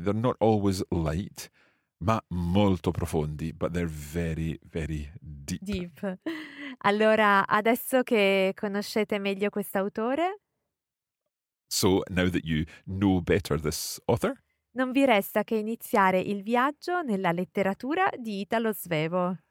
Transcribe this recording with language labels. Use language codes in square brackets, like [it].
[en] They're not always light, [it] ma molto profondi, [en] but they're very, very deep. Deep. [it] Allora, adesso che conoscete meglio quest'autore? [en] So, now that you know better this author? [it] Non vi resta che iniziare il viaggio nella letteratura di Italo Svevo.